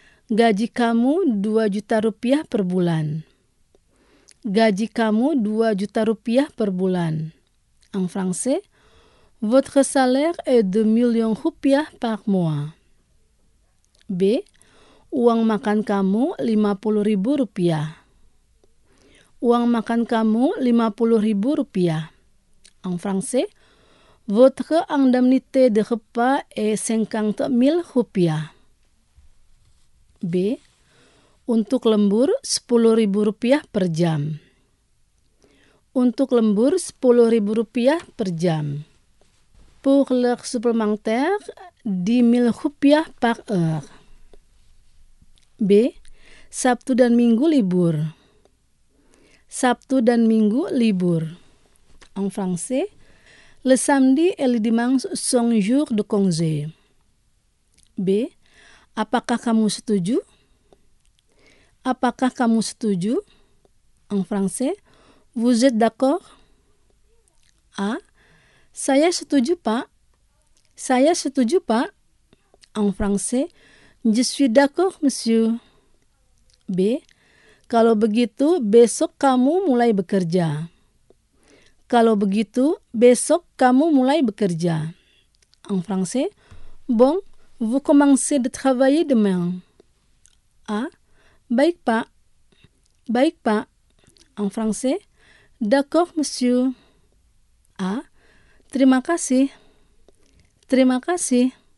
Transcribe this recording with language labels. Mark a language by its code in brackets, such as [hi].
[id] Gaji kamu 2 juta rupiah per bulan. Gaji kamu 2 juta rupiah per bulan. [fr] En français, votre salaire est 2 millions rupiah par mois. B. [id] Uang makan kamu 50 ribu rupiah. Uang makan kamu 50 ribu rupiah. [fr] En français, votre indemnité de repas est 50 000 rupiah. B. [id] Untuk lembur 10 ribu rupiah per jam. Untuk lembur 10 ribu rupiah per jam. [fr] Pour le supplémentaire, 10 000 rupiah par heure. B. [id] Sabtu dan Minggu libur. Sabtu dan Minggu libur. [fr] En français, le samedi et le dimanche sont jours de congé. B. [id] Apakah kamu setuju? Apakah kamu setuju? [fr] En français, vous êtes d'accord? A. [id] Saya setuju, Pak. Saya setuju, Pak. [fr] En français, je suis d'accord, monsieur. B. [id] Kalau begitu, besok kamu mulai bekerja. Kalau begitu, besok kamu mulai bekerja. [fr] En français, bon, vous commencez de travailler demain. A. [id] Baik, Pak. Baik, Pak. [fr] En français, d'accord, monsieur. [id] A. Terima kasih. Terima kasih.